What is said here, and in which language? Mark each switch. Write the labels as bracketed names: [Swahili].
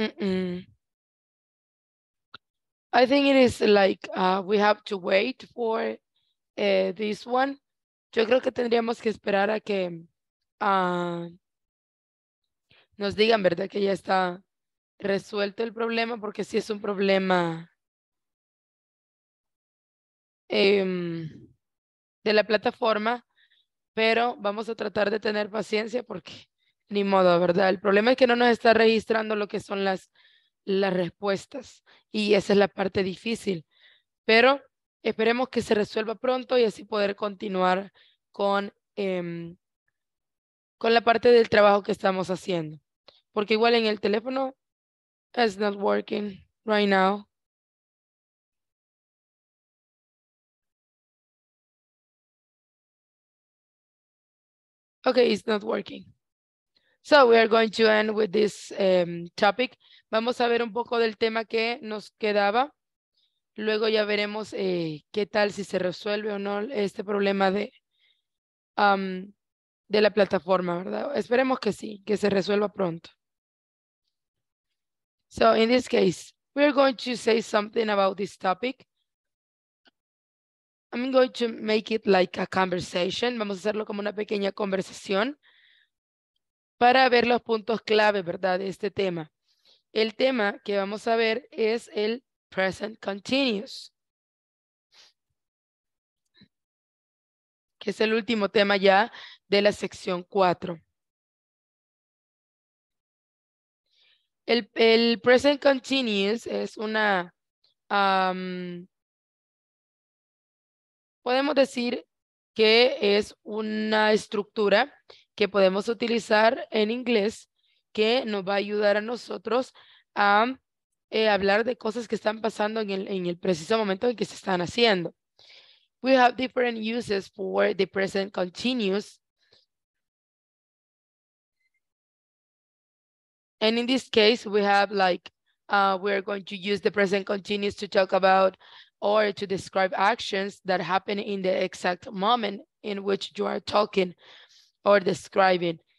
[English] I think it is like we have to wait for this one. [Spanish] Yo creo que tendríamos que esperar a que nos digan, ¿verdad? Que ya está resuelto el problema, porque sí es un problema de la plataforma, pero vamos a tratar de tener paciencia porque ni modo, ¿verdad? El problema es que no nos está registrando lo que son las respuestas y esa es la parte difícil, pero esperemos que se resuelva pronto y así poder continuar con la parte del trabajo que estamos haciendo. Porque igual en el teléfono, [English] it's not working right now. Okay, it's not working. So we are going to end with this topic. [Spanish] Vamos a ver un poco del tema que nos quedaba. Luego ya veremos qué tal si se resuelve o no este problema de la plataforma, ¿verdad? Esperemos que sí, que se resuelva pronto. [English] So in this case, we're going to say something about this topic. I'm going to make it like a conversation. [Spanish] Vamos a hacerlo como una pequeña conversación para ver los puntos clave, ¿verdad?, de este tema. El tema que vamos a ver es el present continuous, que es el último tema ya de la sección 4. El present continuous es una, podemos decir que es una estructura que podemos utilizar en inglés que nos va a ayudar a nosotros a hablar de cosas que están pasando en el preciso momento en que se están haciendo. [English] We have different uses for the present continuous. And in this case, we have like, we're going to use the present continuous to talk about or to describe actions that happen in the exact moment in which you are talking or describing.